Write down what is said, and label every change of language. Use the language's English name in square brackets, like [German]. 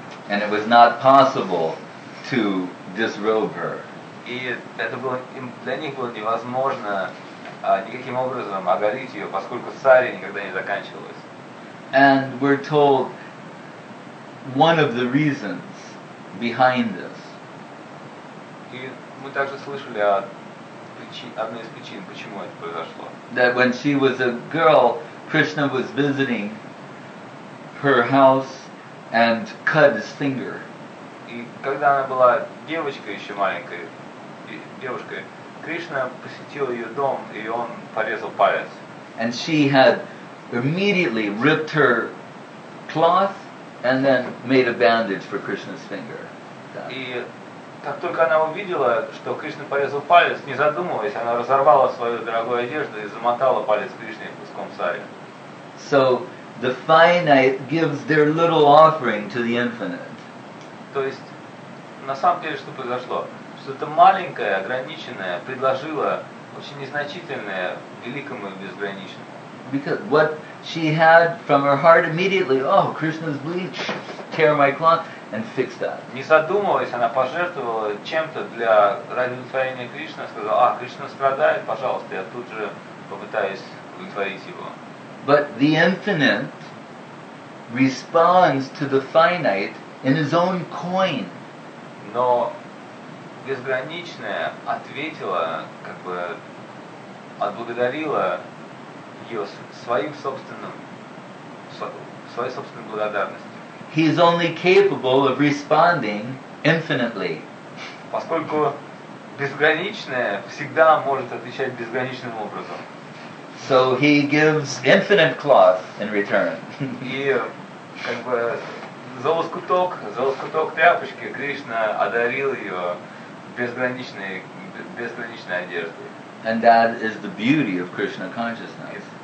[English] And it was not possible to disrobe her. [Russian] И это было, для них было невозможно никаким образом оголить ее, поскольку сари никогда не заканчивалось. [English] And we're told one of the reasons behind this. [Russian] И мы также слышали о одной из причин, почему это произошло. [English] That when she was a girl, Krishna was visiting her house and cut his finger. [Russian] И когда она была девочкой, еще маленькой девушкой, Кришна посетил ее дом, и он порезал палец. [English] And she had immediately ripped her cloth and then made a bandage for Krishna's finger. [Russian] И как только она увидела, что Кришна порезал палец, не задумываясь, она разорвала свою дорогую одежду и замотала палец Кришны куском сари. [English] So the finite gives their little offering to the infinite. [Russian] То есть на самом деле что произошло? Что это маленькое, ограниченное предложило очень незначительное великому и безграничному. [English] Because what she had from her heart immediately, oh, Krishna's bleach, tear my cloth and fix that. [Russian] Не задумываясь, она пожертвовала чем-то для ради удовлетворения Кришны, сказала, а, Кришна страдает, пожалуйста, я тут же попытаюсь удовлетворить его. [English] But the infinite responds to the finite in his own coin. [Russian] Но безграничное ответило, как бы отблагодарило ее своей собственной благодарностью. [English] He is only capable of responding infinitely. [Russian] Поскольку безграничное всегда может отвечать безграничным образом. [English] So he gives infinite cloth in return. [Russian] И как бы за лоскуток тряпочки Кришна одарил ее безграничной одеждой. [English] And that is the beauty of Krishna consciousness.